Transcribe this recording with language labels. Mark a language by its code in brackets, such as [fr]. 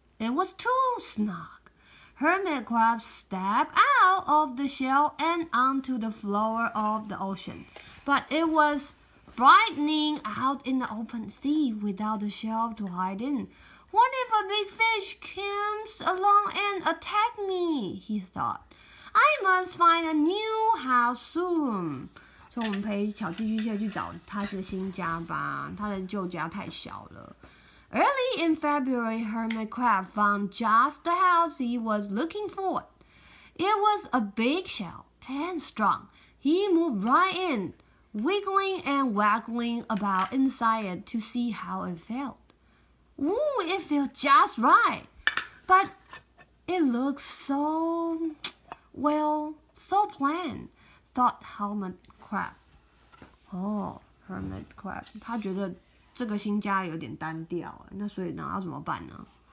[en] It was too snug. Hermit crab stepped out of the shell and onto the floor of the ocean. But it was frightening out in the open sea without a shell to hide in. What if a big fish comes along and attacks me? He thought. I must find a new house soon. [zh] So 我们陪小寄居蟹去找他的新家吧，他的旧家太小了。 [en] Early in February, Hermit Crab found just the house he was looking for. It was a big shell and strong. He moved right in, wiggling and waggling about inside it to see how it felt. Ooh, it feels just right. But it looks so, well, so plain, thought Hermit Crab. Oh, Hermit Crab. [zh] 他觉得这个新家有点单调，那所以呢要怎么办呢？